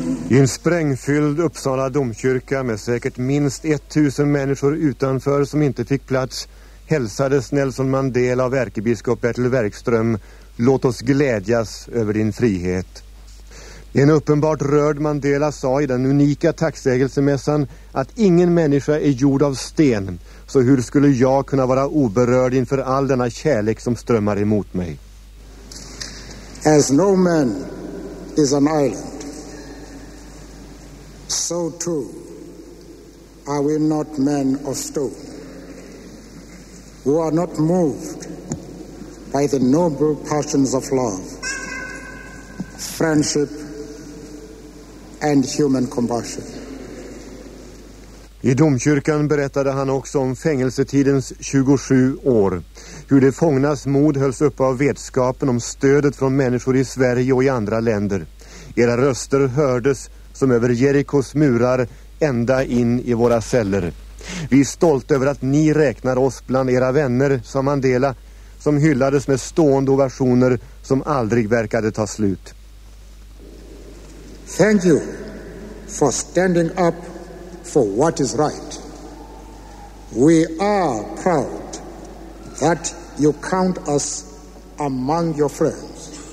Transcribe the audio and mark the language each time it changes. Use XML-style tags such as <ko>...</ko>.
<sv>I en sprängfylld Uppsala domkyrka med säkert minst 1000 människor utanför som inte fick plats hälsades Nelson Mandela av ärkebiskop Bertil Werkström: låt oss glädjas över din frihet. En uppenbart rörd Mandela sa i den unika tacksägelsemässan att ingen människa är gjord av sten, så hur skulle jag kunna vara oberörd inför all denna kärlek som strömmar emot mig?</sv> <en>As no man is an island, so too are we not men of stone, who are not moved by the noble passions of love, friendship and human compassion.</en> <sv>I domkyrkan berättade han också om fängelsetidens 27 år, hur de fångnas mod hölls upp av vetskapen om stödet från människor i Sverige och i andra länder. Era röster hördes som över Jerikos murar ända in i våra celler. Vi är stolt över att ni räknar oss bland era vänner, sa Mandela, som hyllades med stående ovationer som aldrig verkade ta slut.</sv> <en>Thank you for standing up for what is right. We are proud that you count us among your friends.</en>